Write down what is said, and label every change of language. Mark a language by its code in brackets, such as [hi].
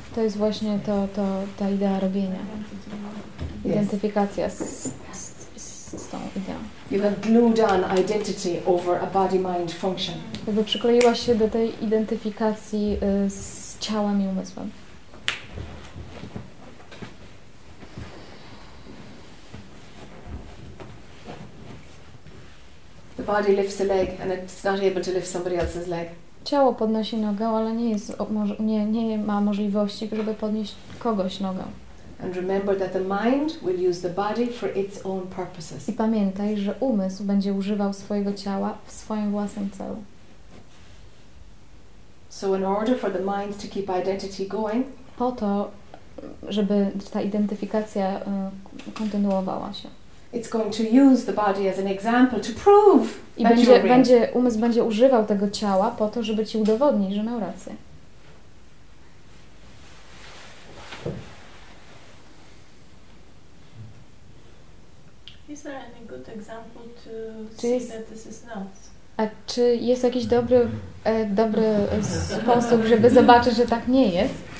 [pl] To jest właśnie ta idea robienia. [en] Yes. [pl] Identyfikacja z tą ideą. [en] You have glued on identity over a body-mind function. [pl] Jakby przykleiłaś się do tej identyfikacji z ciałem i umysłem. [en] The body lifts a leg and it's not able to lift somebody else's leg. [pl] Ciało podnosi nogę, ale nie ma możliwości, żeby podnieść kogoś nogę. [en] And remember that the mind will use the body for its own purposes. [pl] I pamiętaj, że umysł będzie używał swojego ciała w swoim własnym celu. [en] So in order for the mind to keep identity going, [pl] po to, żeby ta identyfikacja kontynuowała się. [en] It's going to use the body as an example to prove. [pl] I będzie umysł będzie używał tego ciała po to, żeby ci udowodnić, że miał rację. [en] Is there any good example to see that this is not? [pl] A czy jest jakiś dobry sposób, żeby zobaczyć, że tak nie jest?